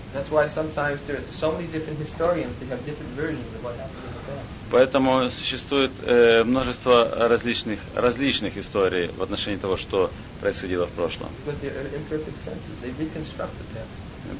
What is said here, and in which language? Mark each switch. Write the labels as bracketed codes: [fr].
[en] That's why sometimes there are so many different historians, they have different versions of what happened in the past. [ru] Поэтому существует множество различных историй в отношении того, что происходило в прошлом. [en] Because they are imperfect senses, they reconstruct the past.